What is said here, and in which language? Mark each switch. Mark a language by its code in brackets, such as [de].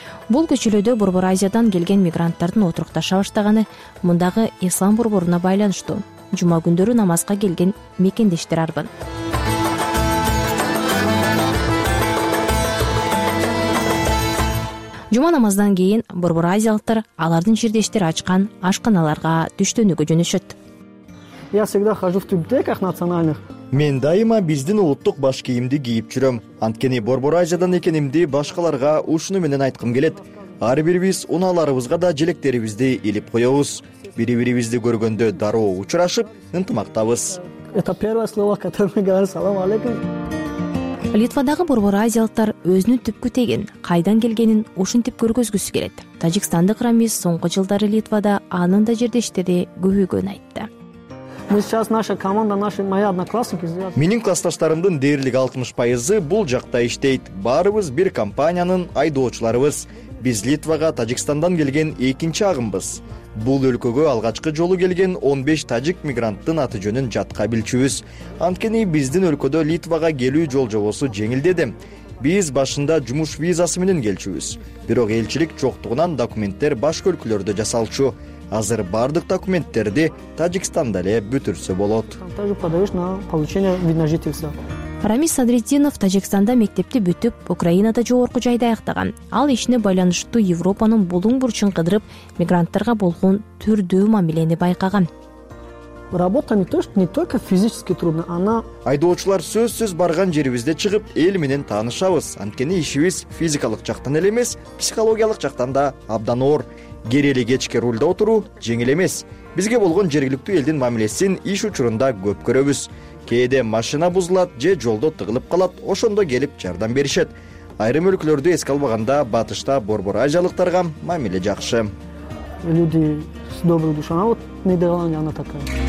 [ky] Бул көчөлөрдө Борбор Азиядан келген мигранттардын отурукташа баштаганы мындагы ислам борборуна байланыштуу. Жума күндөрү намазга келген мекендештер арбын. Жума намаздан кийин Борбор Азиялыктар алардын жердештери ачкан ашканаларга түштөнүүгө жөнөшөт. [ru] Я всегда хожу в тюбетейках национальных. [ky] Мен дайыма биздин улуттук баш кийимди кийип жүрөм. Анткени Борбор Азиядан экенимди башкаларга ушуну менен айткым келет. Ар бирибиз унааларыбызга да желектерибизди илип коебуз. Бири-бирибизди көргөндө дароо учурашып, ынтымактабыз. [ru] Это первое слово, которое мы говорим: салам алейкум. [ky] Литвадагы Борбор Азиялыктар өзүнүн түпкү тегин, кайдан келгенин ушинтип көргөзгүсү келет. Тажикстандык Рамиз соңку жылдары Литвада анын да жердештери көбөйгөнүн айтты. Менин классташтарымдын дээрлик 60% бул жакта иштейт. Баарыбыз бир компаниянын айдоочуларыбыз. Биз Литвага Тажикстандан келген экинчи агымбыз. Бул өлкөгө алгачкы жолу келген 15 тажик мигранттын аты жөнүн жатка билчүбүз. Анткени биздин өлкөдө Литвага келүү жолжобосу жеңилдеди. Биз башында жумуш визасы менен келчүбүз. Бирок элчилик жоктугунан документтер башка өлкөлөрдө жасалчу. Азыр бардык документтерди Тажикстанда эле бүтүрсө болот. Рамиз Садретдинов Тажикстанда мектепти бүтүп, Украинада жогорку жайды аяктаган. Ал ишине байланыштуу Европанын булуң бурчун кыдырып, мигранттарга болгон түрдүү мамилени байкаган. [ru] Работа не только физически трудно, она... [ky] Айдоочулар сөзсүз барган жерибизде чыгып, эл менен таанышабыз. Анткени ишибиз физикалык жактан эле эмес, психологиялык жактан да абдан оор. Керели кечке рульда отуруу жеңил эмес. Бизге болгон жергиликтүү элдин мамилесин иш учурунда көп көрөбүз. Кээде машина бузулат же жолдо тыгылып калат, ошондо келип жардам беришет. Айрым өлкөлөрдү эске албаганда батышта Борбор Азиялыктарга мамиле жакшы. [ru] Люди с доброй душой, а вот Нидерланды она такая.